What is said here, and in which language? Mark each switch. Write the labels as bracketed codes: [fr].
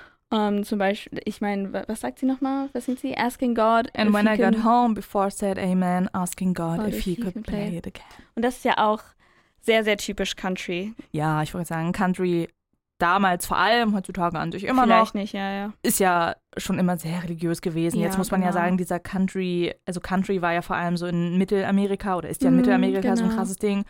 [de] Zum Beispiel, ich meine, was sagt sie nochmal? Was sind sie? [en] Asking God. And when I got home, before I said amen, asking God if he could play it again. [de] Und das ist ja auch sehr, sehr typisch Country. Ja, ich wollte sagen, Country damals vor allem, heutzutage an sich immer vielleicht noch. Vielleicht nicht, ja, ja. Ist ja schon immer sehr religiös gewesen. Ja, jetzt muss man genau. ja sagen, dieser Country, also Country war ja vor allem so in Mittelamerika oder ist ja in Mittelamerika genau. so ein krasses Ding.